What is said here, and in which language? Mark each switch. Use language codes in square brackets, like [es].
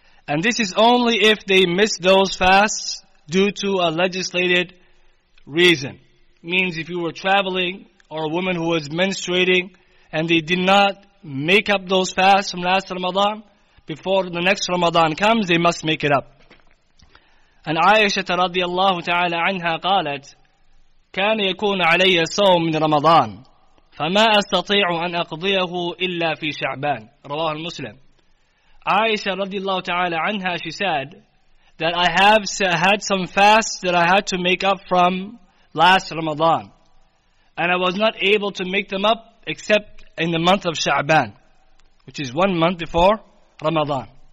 [en] And this is only if they miss those fasts due to a legislated reason. Means if you were traveling, or a woman who was menstruating, and they did not make up those fasts from last Ramadan, before the next Ramadan comes, they must make it up. And Aisha radiallahu ta'ala anha qalat, [ar] كان يكون علي صوم من رمضان فما أستطيع أن أقضيه إلا في شعبان. رواه المسلم. [en] Aisha radiallahu ta'ala anha, she said that I have had some fasts that I had to make up from last Ramadan, and I was not able to make them up except in the month of Sha'ban, which is 1 month before Ramadan.